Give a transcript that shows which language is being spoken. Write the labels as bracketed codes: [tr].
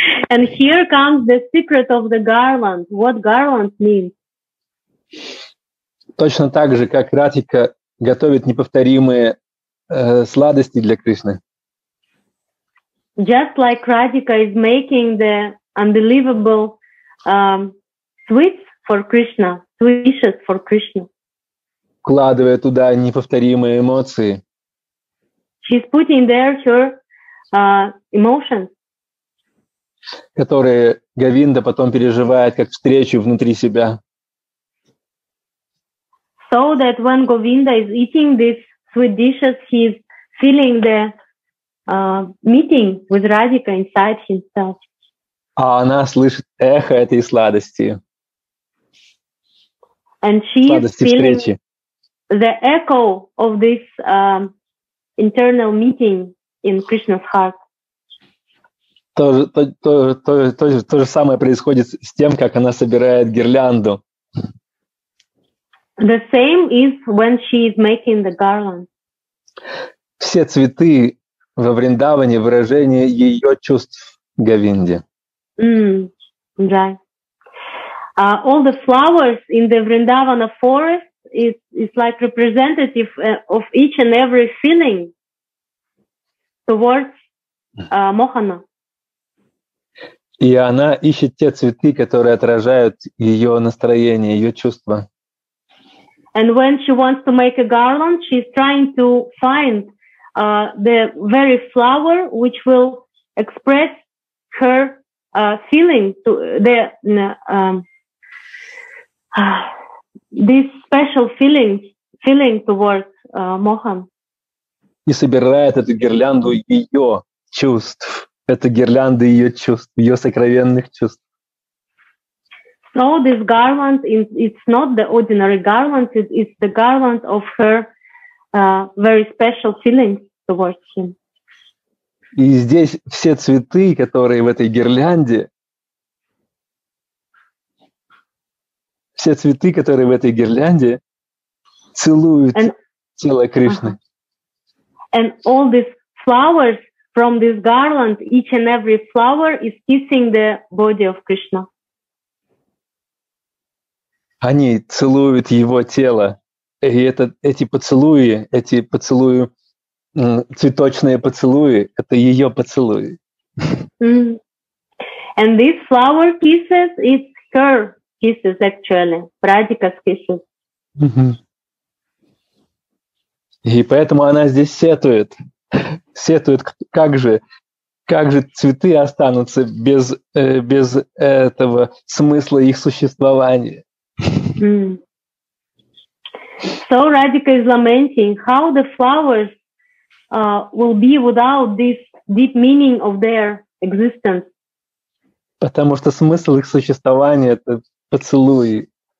[en] And here comes the secret of the garland, what garland means. [ru] Точно так же, как Радхика готовит неповторимые сладости для Кришны. [en] Just like Radhika is making the unbelievable sweets for Krishna, wishes for Krishna. [ru] Вкладывая туда неповторимые эмоции. [en] She's putting there her emotions. [ru] Которые Говинда потом переживает как встречу внутри себя. [en] So that when Govinda is eating this sweet dishes, he's feeling the meeting with Radhika inside himself. [ru] А она слышит эхо этой сладости. [en] And she is feeling [ru] встречи. [en] The echo of this internal meeting in Krishna's heart. [ru] То же самое происходит с тем, как она собирает гирлянду. [en] The same is when she is making the garland. [ru] Все цветы во Вриндаване — выражение ее чувств Говинде. [en] Right. All the flowers in the Vrindavana forest is like representative of each and every feeling towards Mohana. [ru] И она ищет те цветы, которые отражают ее настроение, ее чувства. [en] And when she wants to make a garland, she's trying to find the very flower which will express her feeling to the this special feeling towards Mohan. [ru] И собирает эту гирлянду ее чувств. Это гирлянды ее чувств, ее сокровенных чувств. [en] So this garland is—it's not the ordinary garland. It's the garland of her very special feelings towards him. [ru] И здесь все цветы, которые в этой гирлянде, все цветы, которые в этой гирлянде, целуют тело Кришны. [en] And all these flowers from this garland, each and every flower is kissing the body of Krishna. [ru] Они целуют его тело, и эти поцелуи, цветочные поцелуи, это ее поцелуи. [en] And these flower kisses, it's her kisses actually, Radhika's kisses. [ru] И поэтому она здесь сетует, как же цветы останутся без этого смысла их существования. [en] So Radhika is lamenting how the flowers will be without this deep meaning of their existence. [ru] Потому что смысл их существования это поцелуи.